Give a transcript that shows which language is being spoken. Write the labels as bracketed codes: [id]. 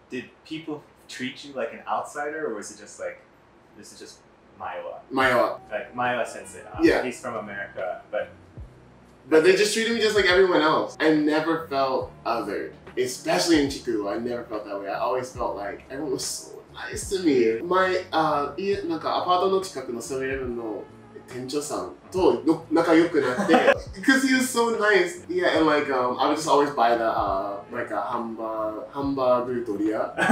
[en] Did people treat you like an outsider or was it just like, this is just Mayowa. Mayowa. Like, Mayowa sensei. Yeah. He's from America, but... But they just treated me just like everyone else. I never felt othered. Especially in Chiku, I never felt that way. I always felt like everyone was so nice to me. [ja] My, なんかアパートの近くのセブンイレブンの店長さんと仲良くなって... [en] Because he was so nice. Yeah, and like, I would just always buy the, like, hamburger toria.